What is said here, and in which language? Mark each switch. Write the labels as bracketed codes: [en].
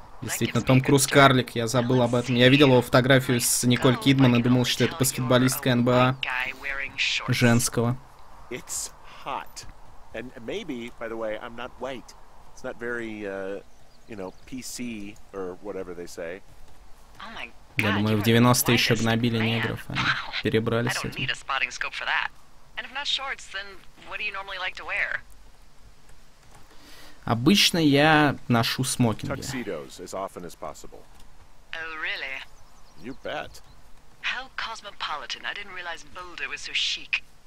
[ru] Действительно, Том Круз карлик, я забыл об этом. Я видел его фотографию с Николь Кидман и думал, что это баскетболистка НБА женского. [en] It's hot. And maybe, by the way, I'm not white. It's not very, you know, PC or whatever they say. [ru] Я думаю, в 90-е еще гнобили негров, они перебрались с этим. [en] I don't need a And if not shorts, then what do you normally like to wear? [ru] Обычно я ношу смокинги. [en] Tuxedos, as often as possible. Oh, really? You bet. How cosmopolitan. I didn't realize Boulder was so chic.